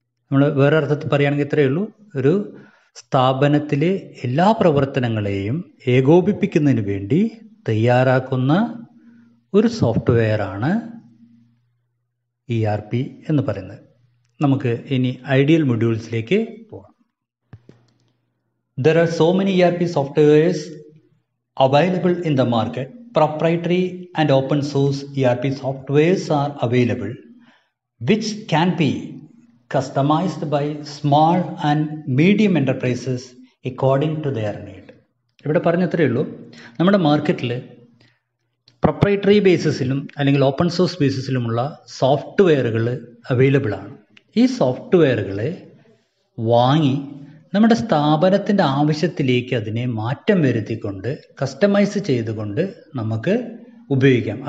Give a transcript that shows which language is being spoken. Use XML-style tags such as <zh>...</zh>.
<ml>നമ്മൾ വേറൊരർത്ഥത്തിൽ പറയുകയാണെങ്കിൽ ഇത്രയേ ഉള്ളൂ, ഒരു സ്ഥാപനത്തിലെ എല്ലാ പ്രവർത്തനങ്ങളെയും ഏകോപിപ്പിക്കുന്നതിന് വേണ്ടി തയ്യാറാക്കുന്ന ഒരു സോഫ്റ്റ്വെയറാണ് ERP എന്ന് പറയുന്നത്. നമുക്ക് ഇനി ഐഡിയൽ മൊഡ്യൂൾസിലേക്ക് പോകാം.</ml> <en>There are so many ERP softwares available in the market. Proprietary and open source ERP softwares are available, which can be customized by small and medium enterprises according to their need.</en> <ml>ഇവിടെ പറഞ്ഞത്രേ ഉള്ളൂ, നമ്മുടെ മാർക്കറ്റിൽ proprietary ബേസിസിലും അല്ലെങ്കിൽ open source ബേസിസിലുമുള്ള സോഫ്റ്റ്വെയറുകൾ available ആണ്. ഈ സോഫ്റ്റ്വെയറുകളെ വാങ്ങി നമ്മുടെ സ്ഥാപനത്തിൻ്റെ ആവശ്യത്തിലേക്ക് അതിനെ മാറ്റം വരുത്തിക്കൊണ്ട് കസ്റ്റമൈസ് ചെയ്തുകൊണ്ട് നമുക്ക് ഉപയോഗിക്കാം.</ml>